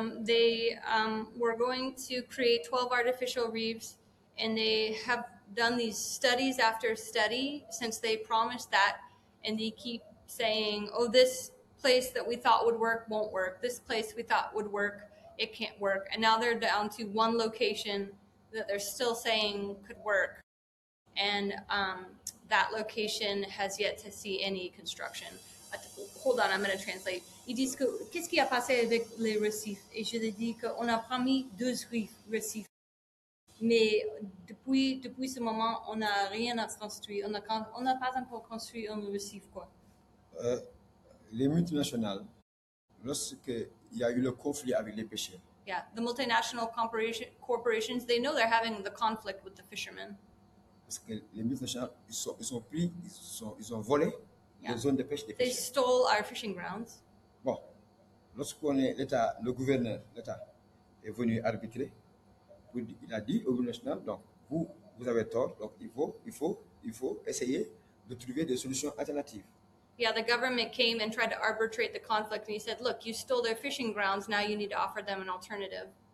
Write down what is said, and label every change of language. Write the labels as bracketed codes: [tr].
[en] They were going to create 12 artificial reefs, and they have done these studies after study since they promised that, and they keep saying, oh, this place that we thought would work won't work. This place we thought would work, it can't work. And now they're down to one location that they're still saying could work. And that location has yet to see any construction. Hold on, I'm going to translate. [fr] Ils disent que, qu'est-ce qui a passé avec les récifs? Et je leur dis qu'on a promis deux récifs. Mais depuis ce moment, on n'a rien à construire. On n'a pas encore construit un récif, quoi. Les multinationales, lorsque il y a eu le conflit avec les pêcheurs. [en] Yeah, the multinational corporations, they know they're having the conflict with the fishermen. [fr] Parce que les multinationales, ils ont volé yeah. les zones de pêche des [en] they [fr] pêcheurs. [en] They stole our fishing grounds. [fr] Bon, lorsqu'on est l'État, le gouverneur, l'État est venu arbitrer, pour, il a dit au multinational, donc vous avez tort, donc il faut essayer de trouver des solutions alternatives. [en] Yeah, the government came and tried to arbitrate the conflict, and he said, look, you stole their fishing grounds, now you need to offer them an alternative.